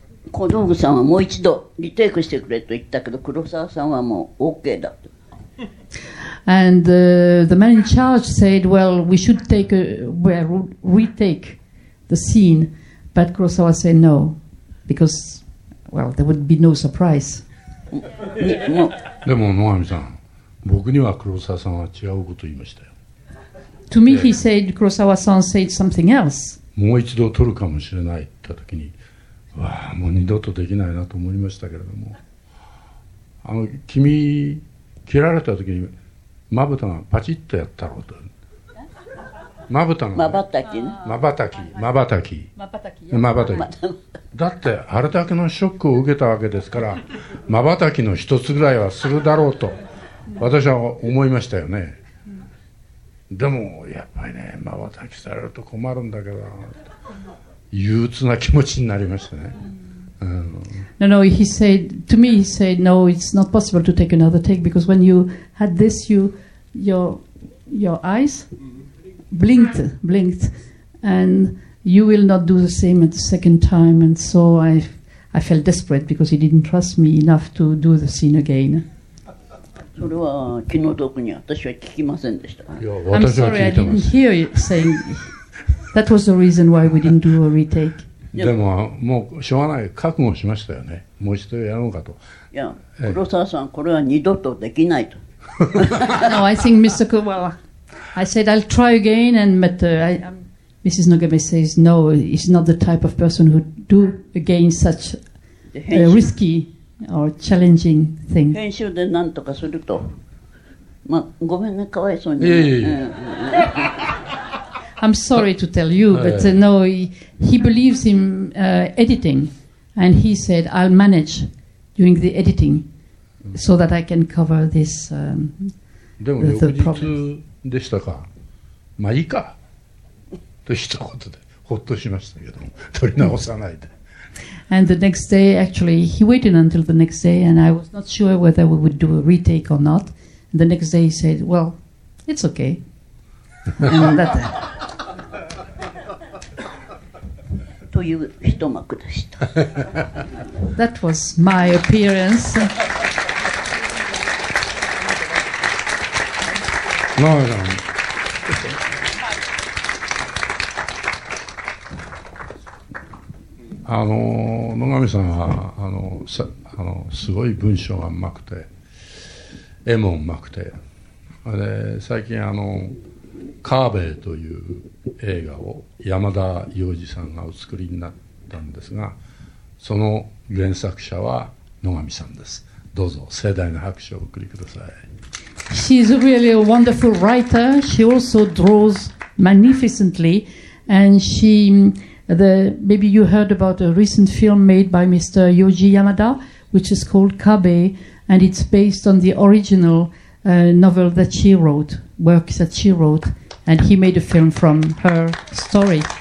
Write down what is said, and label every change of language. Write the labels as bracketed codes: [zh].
[ja] 小道具さんはもう一度リテイクしてくれと言ったけど、黒沢さんはもう OK だと。 [en] And the man in charge said, "Well, we should take retake the scene," but Kurosawa said no. Because, well, there would be no surprise. [ja] でも野上さん、僕には黒沢さんは違うこと言いましたよ。 [en] To me, he said, 黒沢さん said something else. [ja] もう一度撮るかもしれないって言った時に、わあ、もう二度とできないなと思いましたけれども、あの君、切られた時にまぶたがパチッとやったろうと。まぶたの、ね、まばたきね、まばたき、まばたき、まばたき、まばたき、だってあれだけのショックを受けたわけですから、まばたきの一つぐらいはするだろうと私は思いましたよね。でもやっぱりね、まばたきされると困るんだけど、憂鬱な気持ちになりましたね。 [en] No, no, he said to me, he said, no, it's not possible to take another take, because when you had this, your eyes blinked, and you will not do the same at the second time, and so I felt desperate because he didn't trust me enough to do the scene again. [ja] それは気の毒に私は聞きませんでした。いや、私は聞いてます。 [en] I'm sorry, I didn't hear you saying that was the reason why we didn't do a retake. [ja] でも、もうしょうがない、覚悟しましたよね。もう一度やろうかと。いや、黒沢さん、これは二度とできないと。 [en] No, I think Mr. Kubawa... I said, I'll try again, and Mrs. Nogame says, no, he's not the type of person who do again such risky or challenging thing. [ja] 編集で何とかすると、まあ、ごめんね、かわいそうに。いやいやいや。 [en] I'm sorry to tell you, but no, he believes in editing, and he said, I'll manage during the editing so that I can cover this the problem. [ja] でしたか、まあいいかと一言でほっとしましたけども、取り直さないで。 [en] And the next day, actually, he waited until the next day, and I was not sure whether we would do a retake or not. The next day, he said, "Well, it's okay." [ja] という一幕でした。 [en] That was my appearance. [ja] 野上さん。野上さんはすごい文章がうまくて、絵もうまくて、で最近カーベイという映画を山田洋次さんがお作りになったんですが、その原作者は野上さんです。どうぞ盛大な拍手をお送りください。 [en] She is really a wonderful writer. She also draws magnificently, and she maybe you heard about a recent film made by Mr. Yoji Yamada, which is called Kabe, and it's based on the original novel that she wrote, work that she wrote, and he made a film from her story.